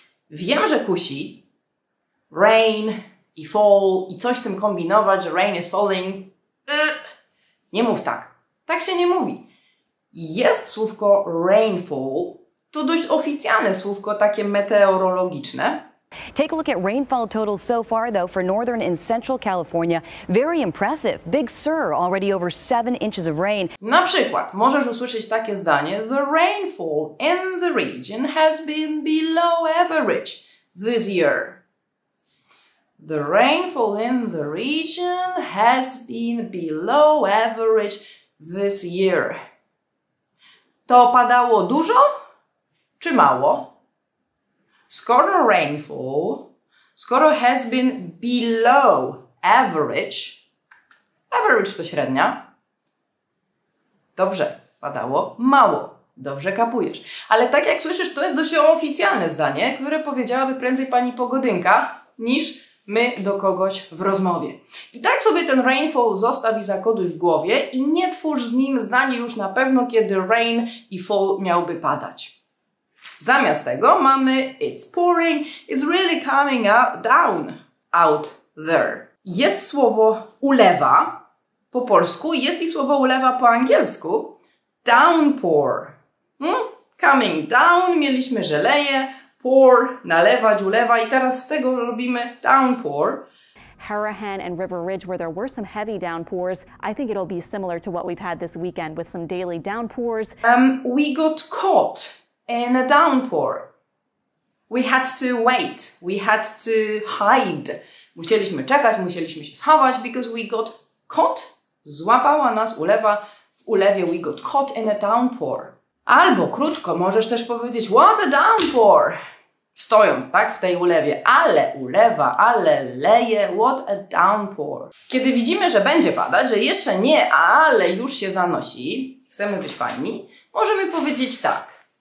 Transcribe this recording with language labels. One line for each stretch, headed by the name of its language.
Polish: Wiem, że kusi rain i fall i coś z tym kombinować, że
English: rain is falling.
Polish: Nie mów tak. Tak się nie mówi. Jest słówko rainfall, to dość oficjalne słówko, takie meteorologiczne.
English: Take a look at rainfall totals so far, though, for Northern and Central California. Very impressive. Big Sur already over 7 inches of rain.
Polish: Na przykład, możesz usłyszeć takie zdanie.
English: The rainfall in the region has been below average this year. The rainfall in the region has been below average this year.
Polish: To padało dużo czy mało? Skoro rainfall, skoro
English: has been below average,
Polish: average to średnia, dobrze, padało mało, dobrze kapujesz. Ale tak jak słyszysz, to jest dość oficjalne zdanie, które powiedziałaby prędzej pani pogodynka, niż my do kogoś w rozmowie. I tak sobie ten rainfall zostaw i zakoduj w głowie i nie twórz z nim zdanie już na pewno, kiedy rain i fall miałby padać. Zamiast tego mamy
English: it's pouring, it's really coming out, down, out there.
Polish: Jest słowo ulewa po polsku, jest i słowo ulewa po angielsku. Downpour.
English: Coming down,
Polish: mieliśmy, że leje, pour, nalewać, ulewa i teraz z tego robimy downpour.
English: Harahan and River Ridge, where there were some heavy downpours. I think it'll be similar to what we've had this weekend with some daily downpours. We got caught in a downpour. We had to wait. We had to hide.
Polish: Musieliśmy czekać, musieliśmy się schować,
English: because we got caught.
Polish: Złapała nas ulewa. W ulewie
English: we got caught in a downpour.
Polish: Albo krótko możesz też powiedzieć
English: what a downpour!
Polish: Stojąc, tak, w tej ulewie. Ale ulewa, ale leje.
English: What a downpour.
Polish: Kiedy widzimy, że będzie padać, że jeszcze nie, ale już się zanosi, chcemy być fajni, możemy powiedzieć tak.